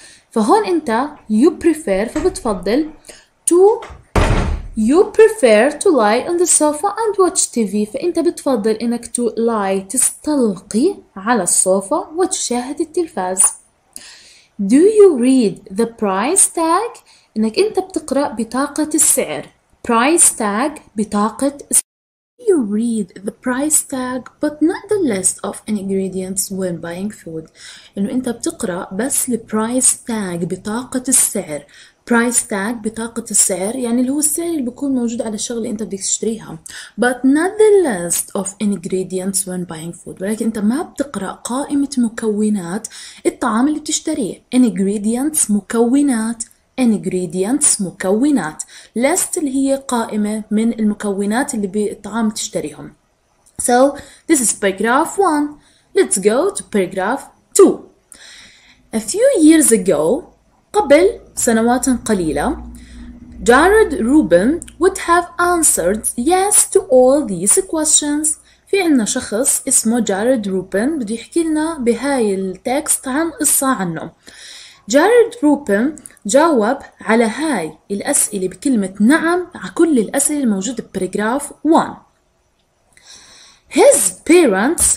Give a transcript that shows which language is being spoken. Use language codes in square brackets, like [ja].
[ar] فهون أنت [en] you prefer، [ar] فبتفضل [en] to، you prefer to lie on the sofa and watch TV، [ar] فأنت بتفضل إنك [en] to lie، [ar] تستلقي على الصوفة وتشاهد التلفاز. [en] Do you read the price tag؟ [ar] إنك أنت بتقرأ بطاقة السعر. [en] Price tag بطاقة السعر. You read the price tag but not the list of ingredients when buying food. [ar] إنه أنت بتقرأ بس لprice tag بطاقة السعر. Price tag بطاقة السعر يعني اللي هو السعر اللي بيكون موجود على الشغلة اللي أنت بدك تشتريها. [en] But not the list of ingredients when buying food. [ar] ولكن أنت ما بتقرأ قائمة مكونات الطعام اللي بتشتريه. Ingredients مكونات. Ingredients مكونات. List اللي هي قائمة من المكونات اللي بالطعام تشتريهم. [en] So this is paragraph 1. Let's go to paragraph 2. A few years ago، [ar] قبل سنوات قليلة، [en] Jared Rubin would have answered yes to all these questions. [ar] في عنا شخص اسمه Jared Rubin بده يحكي لنا بهاي التكست عن قصة عنه. Jared Rubin جاوب على هاي الأسئلة بكلمة نعم على كل الأسئلة الموجودة بباراجراف 1.